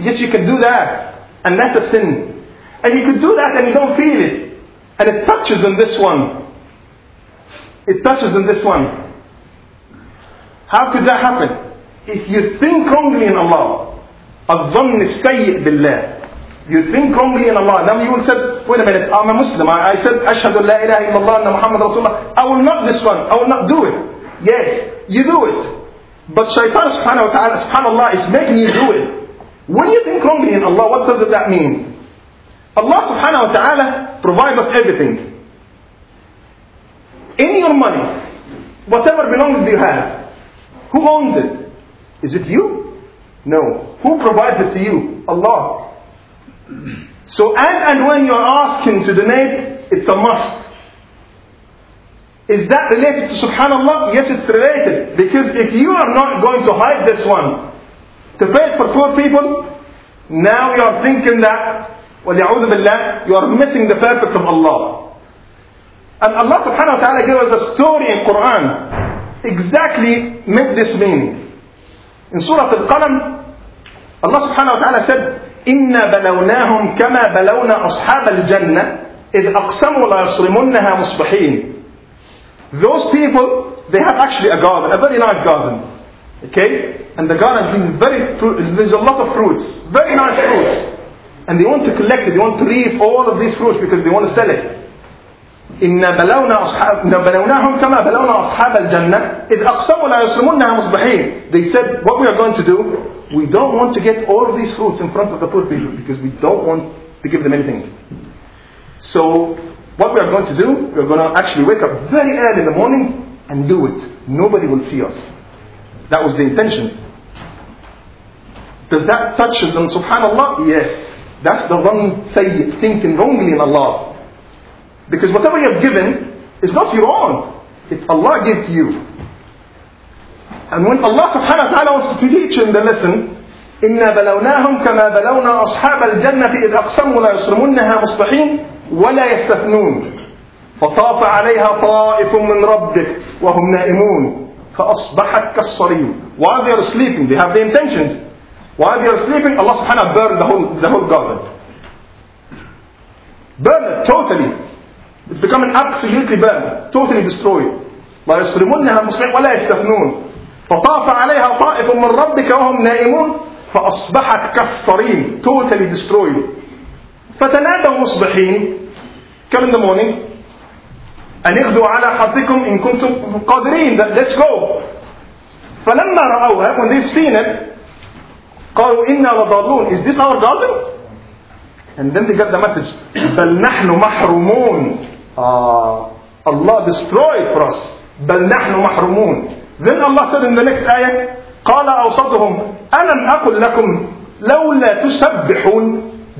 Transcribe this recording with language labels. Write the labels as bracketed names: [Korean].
[English] Yes, you can do that. And that's a sin. And you can do that and you don't feel it. And it touches on this one. It touches on this one. How could that happen? If you think wrongly in Allah, [Arabic] الظن السيء بالله. [English] You think wrongly in Allah. Then you will say, wait a minute, I'm a Muslim. I said, [Arabic] أشهد لا إله إلا الله أن محمد رسول الله. [English] I will not this one. I will not do it. Yes, you do it. But Shaitan subhanahu wa ta'ala, subhanallah, is making you do it. When you think wrongly in Allah, what does that mean? Allah subhanahu wa ta'ala provides us everything. In your money, whatever belongs to you have, who owns it? Is it you? No. Who provides it to you? Allah. So as and when you are asking to donate, it's a must. Is that related to Subhanallah? Yes, it's related. Because if you are not going to hide this one, to pay it for poor people, now you are thinking that, [Arabic] وَلِعُوذُ بِاللَّهِ, [English] you are missing the purpose of Allah. And Allah subhanahu wa ta'ala gave us a story in Quran, exactly make this meaning. In Surah Al-Qalam, Allah subhanahu wa ta'ala said, [Arabic] إِنَّا بَلَوْنَاهُمْ كَمَا بَلَوْنَا أَصْحَابَ الْجَنَّةِ إِذْ أَقْسَمُوا لَيَصْرِمُنَّهَا مُصْبِحِينَ. [English] Those people, they have actually a garden, a very nice garden. Okay? And the garden has been very, there's a lot of fruits, very nice fruits. And they want to collect it, they want to reap all of these fruits because they want to sell it. [Arabic] إِنَّا بَلَوْنَاهُمْ كَمَا بَلَوْنَا أَصْحَابَ الْجَنَّةِ إِذْ أَقْسَمُوا لَيَصْرِمُنَّهَا مُصْبِحِينَ. [English] They said, what we are going to do, we don't want to get all these fruits in front of the poor people because we don't want to give them anything. So, what we are going to do, we are going to actually wake up very early in the morning and do it. Nobody will see us. That was the intention. Does that touch us on Subhanallah? Yes. That's the wrong sayyid, thinking wrongly in Allah. Because whatever you have given is not your own. It's Allah gave to you. And when Allah subhanahu wa ta'ala wants to teach him the lesson, [Arabic] إِنَّا بَلَوْنَاهُمْ كَمَا بَلَوْنَا أَصْحَابَ الْجَنَّةِ إِذْ أَقْسَمُوا لَيَصْرِمُنَّهَا مُصْبِحِينَ وَلَا يَسْتَثْنُونَ فَطَافَ عَلَيْهَا طَائِفٌ مِّن رَبِّكَ وَهُمْ نَائِمُونَ فَأَصْبَحَتْ كَالصَّرِيمِ. [English] While they are sleeping, they have the intentions. While they are sleeping, Allah subhanahu wa ta'ala burned the whole garden. Burn it totally. It's becoming absolutely burned, totally destroyed. [Arabic] لَا يَصْرِمُنَّهَا مُصْبِحِينَ وَلَا يَسْتَثْنُونَ فطاف عليها طائف من ربك وهم نائمون فأصبحت كالصريم, [English] totally destroyed. [Arabic] فتنادوا مصبحين, [English] come in the morning, [Arabic] أن اغدوا على حظكم إن كنتم قادرين, [English] let's go. [Arabic] فلما رأوها, [English] when they've seen it, [Arabic] قالوا إنا لضالون, [English] is this our garden? And then they got the message, [Arabic] بل نحن محرومون. [English] Allah destroyed for us. [Arabic] بل نحن محرومون. [English] Then Allah said in the next ayah, [Arabic] قَالَ أَوْسَطُهُمْ أَلَمْ أَقُلْ لَكُمْ لَوْ لَا تُسَبِّحُونَ.